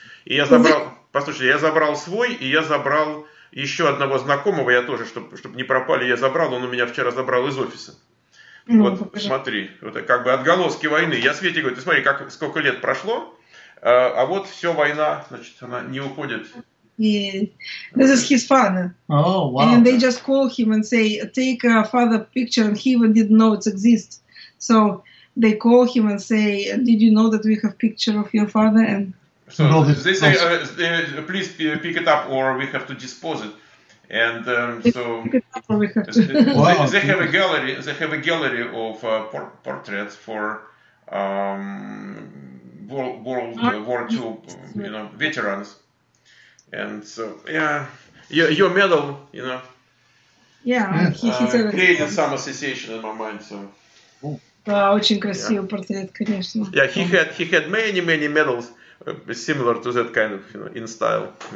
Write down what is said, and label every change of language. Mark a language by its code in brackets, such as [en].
[ru] И я забрал, послушайте, я забрал свой, и я забрал еще одного знакомого, я тоже, чтобы не пропали, я забрал, он у меня вчера забрал из офиса. Вот, смотри, вот как бы отголоски войны. Я Свете говорю, ты смотри, как сколько лет прошло, а вот все, война, значит, она не уходит. [en] Yeah. This is his father. Oh, wow. And they just call him and say, take a father picture, and he even didn't know it exists. So they call him and say, did you know that we have picture of your father? And so they say, please pick it up or we have to dispose it. And so they have a gallery of portraits for World War II, you know, veterans. And so your medal, you know. Yeah, he created some association in my mind. So. [ru] Да, очень красивый портрет, конечно. [en] Yeah, he had many medals similar to that kind of, you know, in style.